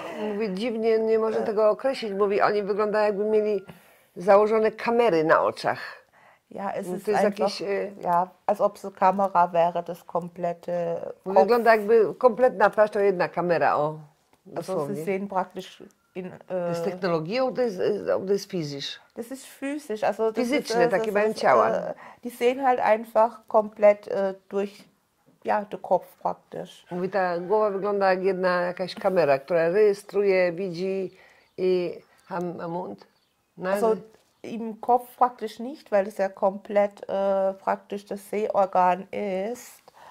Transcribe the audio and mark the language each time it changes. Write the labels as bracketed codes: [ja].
[pl] Mówi, dziwnie, nie może tego określić, mówi, oni wyglądają jakby mieli założone kamery na oczach. [de] Ja, es ist einfach, jakieś, ja, als ob so Kamera wäre, das komplette Kopf. [pl] Wygląda jakby kompletna twarz, to jedna kamera, o. [de] Also sie sehen praktisch in das ist Technologie oder das ist physisch? Das ist physisch, also physisch, ne, da gibt es Ciała. Die sehen halt einfach komplett durch ja, den Kopf praktisch. [pl] Mówi, ta głowa wygląda jak jedna jakaś kamera, która rejestruje, widzi i [de] am Mund. Nein. Also im Kopf praktisch nicht, weil es ja komplett praktisch das Sehorgan ist.